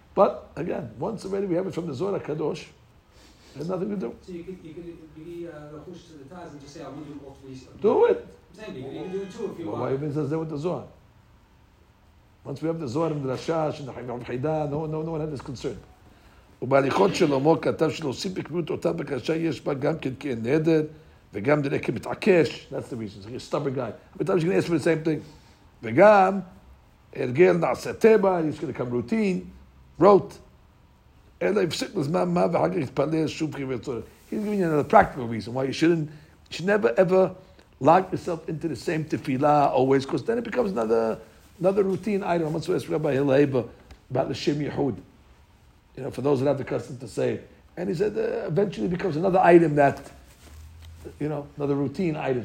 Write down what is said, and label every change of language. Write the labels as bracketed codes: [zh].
[en] But again, once already we have it from the Zohar HaKadosh, has nothing to do. So you could be rechush to the Taz and just say, I'll move you off to the Yisrael. Do it. Same thing. You can do it too if you want. Why even says that with the Zohar? Once we have the Zohar and the Rashash and the Chayim HaChayda, no one had this concern. [he] ובהליכות שלמה כתב שלאוסיף בקביעות אותה בקשה יש בה גם כן כן נדר וגם דרך כמתעקש. [en] That's the reason. He's a stubborn guy. But I'm just going to ask for the same thing. [he] וגם, הרגל נעשה טבע, [en] he's going to come routine, wrote, [he] אלא יפסיק לזמן מה ואחר כך יתפלל שוב כברצון. [en] He's giving you another practical reason why you should never ever lock yourself into the same tefillah always, because then it becomes another routine item. I want to ask Rabbi Hillel about the Shem Yehud, you know, for those that have the custom to say it. And he said eventually it becomes another item that, you know, another routine item.